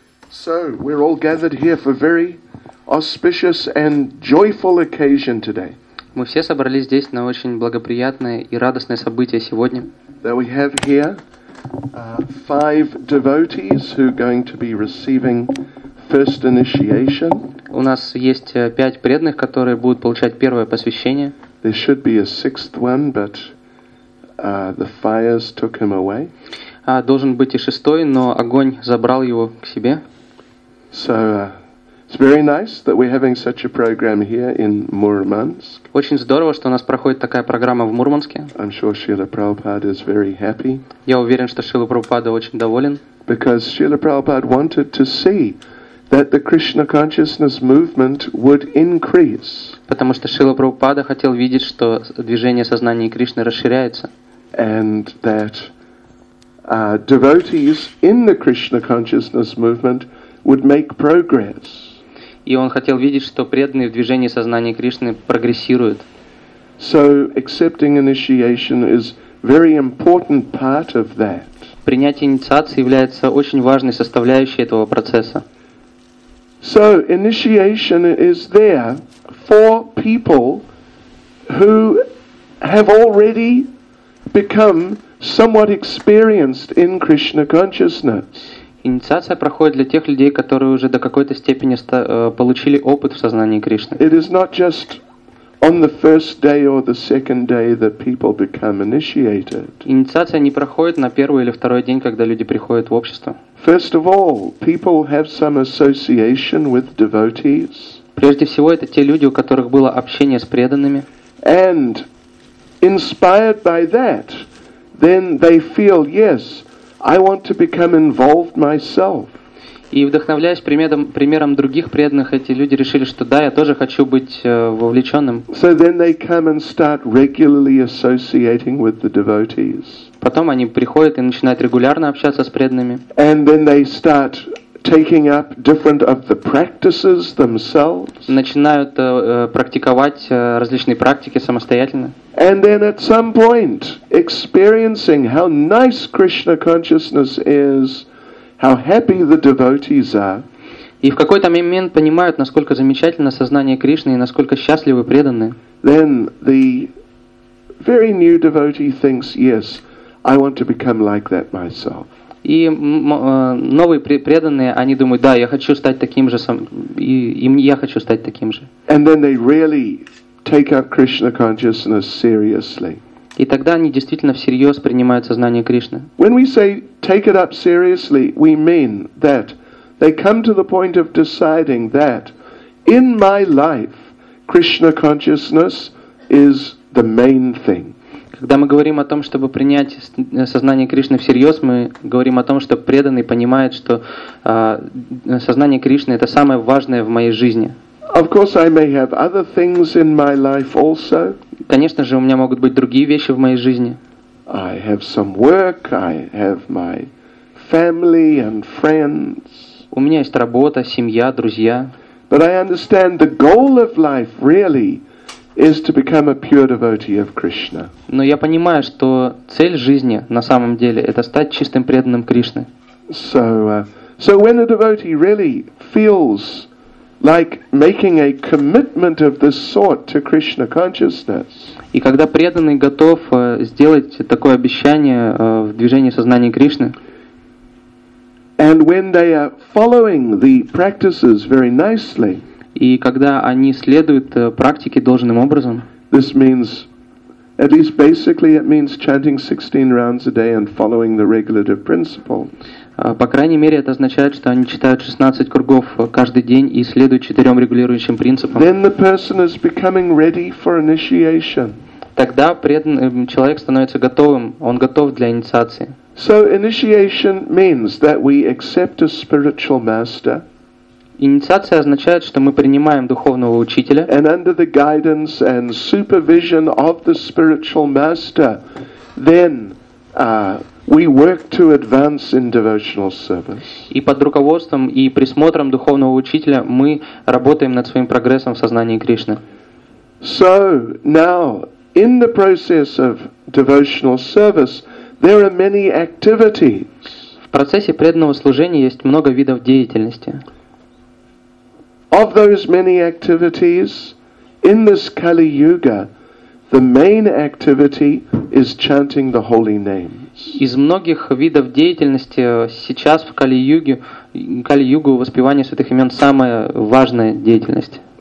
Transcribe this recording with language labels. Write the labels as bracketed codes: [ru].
[en] So, we're all gathered here for a very auspicious and joyful occasion today. [ru] Мы все собрались здесь на очень благоприятное и радостное событие сегодня. [en] That we have here five devotees who are going to be receiving first initiation. [ru] У нас есть пять преданных, которые будут получать первое посвящение. [en] There should be a sixth one, but the fires took him away. [ru] Должен быть и шестой, но огонь забрал его к себе. [en] So it's very nice that we're having such a program here in Murmansk. [ru] Очень здорово, что у нас проходит такая программа в Мурманске. [en] I'm sure Srila Prabhupada is very happy. [ru] Я уверен, что Шрила Прабхупада очень доволен. [en] Because Srila Prabhupada wanted to see that the Krishna consciousness movement would increase. [ru] Потому что Шрила Прабхупада хотел видеть, что движение сознания Кришны расширяется. [en] And that devotees in the Krishna consciousness movement would make progress. [ru] И он хотел видеть, что преданные в движении сознания Кришны прогрессируют. [en] So accepting initiation is very important part of that. [ru] Принятие инициации является очень важной составляющей этого процесса. [en] So initiation is there for people who have already become somewhat experienced in Krishna consciousness. [ru] Инициация проходит для тех людей, которые уже до какой-то степени получили опыт в сознании Кришны. [en] It is not just on the first day or the second day that people become initiated. [ru] Инициация не проходит на первый или второй день, когда люди приходят в общество. [en] First of all, people have some association with devotees. [ru] Прежде всего, это те люди, у которых было общение с преданными. [en] And inspired by that, then they feel, yes, I want to become involved myself. [ru] И вдохновляясь примером других преданных, эти люди решили, что да, я тоже хочу быть вовлеченным. [en] So then they come and start regularly associating with the devotees. [ru] Потом они приходят и начинают регулярно общаться с преданными. [en] And then they start taking up different of the practices themselves. [ru] Начинают практиковать различные практики самостоятельно. [en] And then at some point, experiencing how nice Krishna consciousness is, how happy the devotees are. [ru] И в какой-то момент понимают, насколько замечательно сознание Кришны и насколько счастливы преданные. [en] Then the very new devotee thinks, yes, I want to become like that myself. [ru] И новые преданные, они думают, да, я хочу стать таким же, и я хочу стать таким же. [en] And then they really take up Krishna consciousness seriously. [ru] И тогда они действительно всерьез принимают сознание Кришны. [en] When we say take it up seriously, we mean that they come to the point of deciding that in my life Krishna consciousness is the main thing. [ru] Когда мы говорим о том, чтобы принять сознание Кришны всерьез, мы говорим о том, что преданный понимает, что сознание Кришны — это самое важное в моей жизни. [en] Of course, I may have other things in my life also. [ru] Конечно же, у меня могут быть другие вещи в моей жизни. [en] I have some work, I have my family and friends. [ru] У меня есть работа, семья, друзья. [en] But I understand the goal of life really is to become a pure devotee of Krishna. [ru] Но я понимаю, что цель жизни на самом деле — это стать чистым преданным Кришны. [en] So when a devotee really feels like making a commitment of this sort to Krishna consciousness. [ru] И когда преданный готов сделать такое обещание в движении сознания Кришны. [en] And when they are following the practices very nicely. [ru] И когда они следуют практике должным образом. [en] This means, at least basically, it means chanting 16 rounds a day and following the regulative principle. [ru] По крайней мере, это означает, что они читают 16 кругов каждый день и следуют четырем регулирующим принципам. [en] Then the person is becoming ready for initiation. [ru] Тогда человек становится готовым, он готов для инициации. [en] So initiation means that we accept a spiritual master. [ru] Инициация означает, что мы принимаем духовного учителя. [en] And under the guidance and supervision of the spiritual master, then we work to advance in devotional service. [ru] И под руководством и присмотром духовного учителя мы работаем над своим прогрессом в сознании Кришны. [en] So now, in the process of devotional service, there are many activities. [ru] В процессе преданного служения есть много видов деятельности. [en] Of those many activities, in this Kali Yuga, the main activity is chanting the holy names. [ru] Из многих видов деятельности сейчас в Кали-Югу воспевание святых имен – самая важная деятельность.